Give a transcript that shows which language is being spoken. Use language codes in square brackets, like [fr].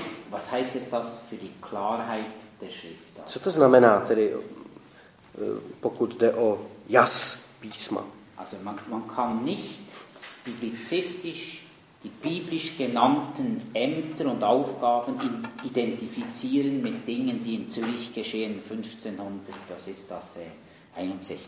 [de] Was heißt es das für die Klarheit der Schrift? [cs] Co to znamená tedy, pokud jde o jas písma? [de] Also man kann nicht biblizistisch die biblisch genannten Ämter und Aufgaben identifizieren mit Dingen, die in Zürich geschehen 1500, was ist das, 61?